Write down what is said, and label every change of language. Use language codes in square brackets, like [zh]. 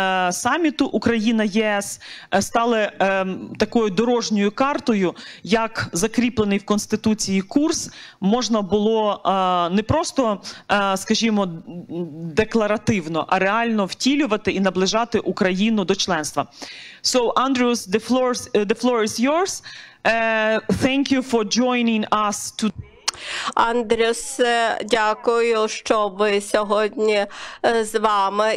[uk] саміту Україна-ЄС стали такою дорожньою картою, як закріплений в Конституції курс можна було не просто, скажімо, декларативно, а реально втілювати і наближати Україну до членства. [en] So, Andrius, the floor is yours. Thank you for joining us today. [uk] Андріус, дякую, що ви сьогодні з вами.